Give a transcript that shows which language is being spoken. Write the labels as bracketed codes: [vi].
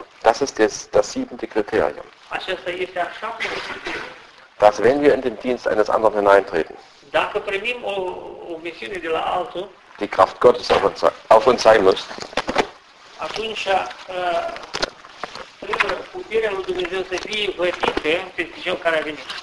[de] Das ist das siebente Kriterium. [ro] Acesta este al șaptelea criteriu. [de] Dass wenn wir in den Dienst eines anderen hineintreten, [ro] dacă primim o misiune de la altul, [de] die Kraft Gottes auf uns sein muss. [ro] Atunci, trebuie puterea lui Dumnezeu să fie vădită peste cel care a venit.